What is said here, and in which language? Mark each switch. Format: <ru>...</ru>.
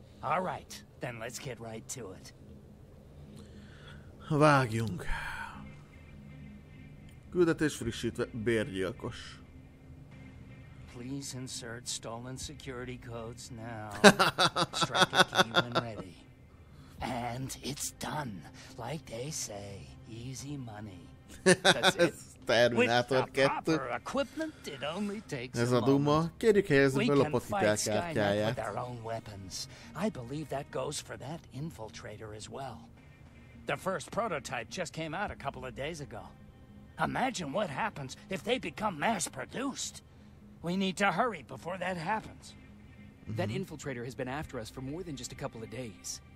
<en>All right, then let's get right to it.</en> <hu>Vágjunk. Küldetés frissítve, bérgyilkos.</hu> <en>Please insert stolen security codes now. Strike a key when ready. And it's done. Like they say, easy money. That's it. Terminátor 2.</en> <hu>Ez a Duma. Kérjük helyezni be lopott hitelkártyáját.</hu> <en>I believe that goes for that infiltrator as well. The first prototype just came out a couple of days ago. Imagine what happens if they become mass-produced. We need to hurry before that happens. Mm-hmm. That infiltrator has been after us for more than just a couple of days.</en>